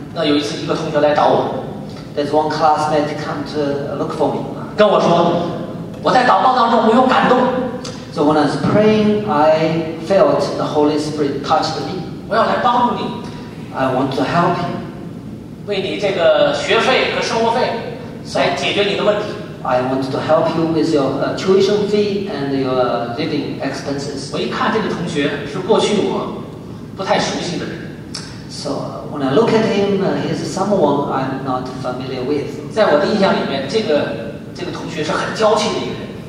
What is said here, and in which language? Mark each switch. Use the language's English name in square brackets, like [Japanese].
[Chinese] 那有一次，一个同学来找我。 [English] There's one classmate come to look for me. [Chinese] 跟我说，我在祷告当中我有感动。 [English] So when I was praying, I felt the Holy Spirit touched me. [Chinese] 我要来帮助你。 [English] I want to help you. [Chinese] 为你这个学费和生活费来解决你的问题。 [English] I want to help you with your tuition fee and your living expenses. [Chinese] 我一看这个同学是过去我不太熟悉的人。 [English] So when I look at him, he's someone I'm not familiar with. [Chinese] 在我的印象里面，这个同学是很娇气的一个人。